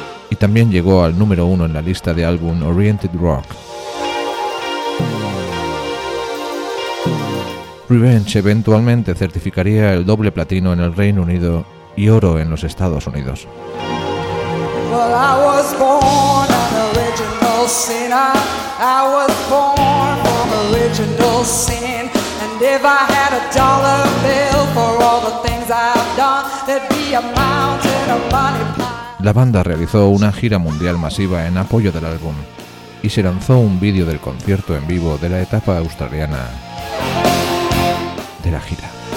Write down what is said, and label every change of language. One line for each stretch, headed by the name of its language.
Spanish: Y también llegó al número 1 en la lista de álbum Oriented Rock. Revenge eventualmente certificaría el doble platino en el Reino Unido y oro en los Estados Unidos.
English: Well, I was born an original sinner. I was born from original sin. And if I had a dollar bill for all the things I've done, there'd be a mountain of money pile.
Spanish: La banda realizó una gira mundial masiva en apoyo del álbum y se lanzó un vídeo del concierto en vivo de la etapa australiana de la gira.